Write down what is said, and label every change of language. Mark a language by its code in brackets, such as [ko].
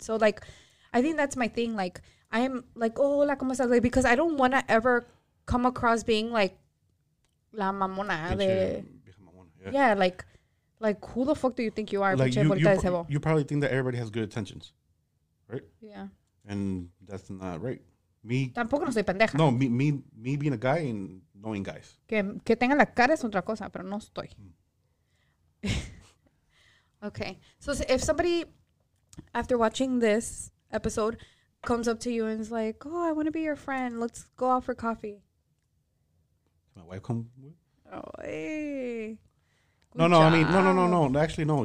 [en] So, like, I think that's my thing. Like, I'm like, oh, [es] hola, ¿cómo estás? [en] Like, because I don't want to ever come across being like [es] la mamona de. [en] Yeah, like who the fuck do you think you are? Like, you probably think that everybody has good intentions, right? Yeah. And that's not right. Me. [es] Tampoco no soy pendeja. [en] No, me being a guy and knowing guys. [es] Que tenga la cara es otra cosa, pero no estoy. [en] Okay. So if somebody, after watching this episode, comes up to you and is like, oh, I want to be your friend. Let's go out for coffee. Can my wife come with? Oh, hey. No. Actually, no.